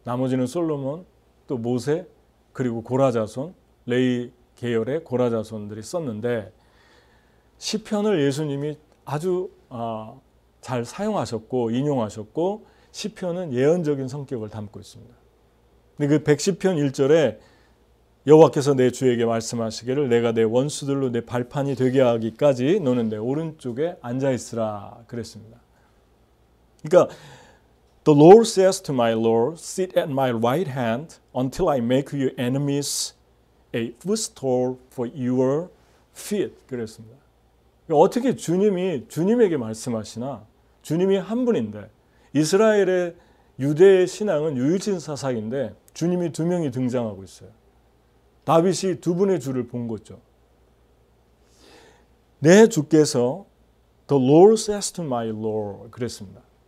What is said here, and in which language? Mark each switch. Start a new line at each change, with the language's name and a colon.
Korean: 나머지는 솔로몬, 또 모세, 그리고 고라자손, 레이 계열의 고라자손들이 썼는데 시편을 예수님이 아주 잘 사용하셨고 인용하셨고 시편은 예언적인 성격을 담고 있습니다. 근데 그 110편 1절에 여호와께서 내 주에게 말씀하시기를 내가 내 원수들로 내 발판이 되게 하기까지 너는 내 오른쪽에 앉아있으라 그랬습니다. 그러니까
English: The Lord says to my Lord, sit at my right hand until I make your enemies a footstool for your feet.
Korean: 그랬습니다. 어떻게 주님이 주님에게 말씀하시나? 주님이 한 분인데 이스라엘의 유대의 신앙은 유일신 사상인데 주님이 두 명이 등장하고 있어요. 다윗이 두 분의 주를 본 거죠. 내 주께서
English: The Lord says to my Lord
Korean: 그랬습니다.